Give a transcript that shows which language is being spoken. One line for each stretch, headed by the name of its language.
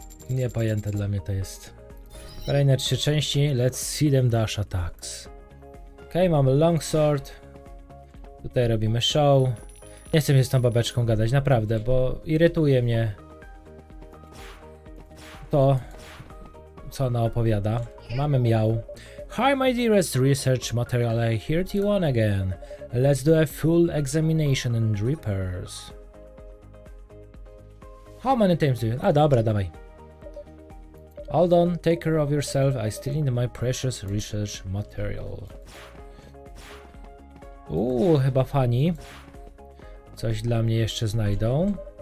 Polish: Niepojęte dla mnie to jest. Kolejne 3 części,
English: let's see them dash attacks.
Polish: Okej, mamy longsword. Tutaj robimy show. Nie chcę się z tą babeczką gadać, naprawdę, bo irytuje mnie to, co ona opowiada. Mamy miał.
English: Hi, my dearest research material, I hear to you on again. Let's do a full examination and repairs. How many times do you...
Polish: A, dobra, dawaj.
English: Hold on, take care of yourself, I still need my precious research material.
Polish: Uuu, chyba fani. Coś dla mnie jeszcze znajdą.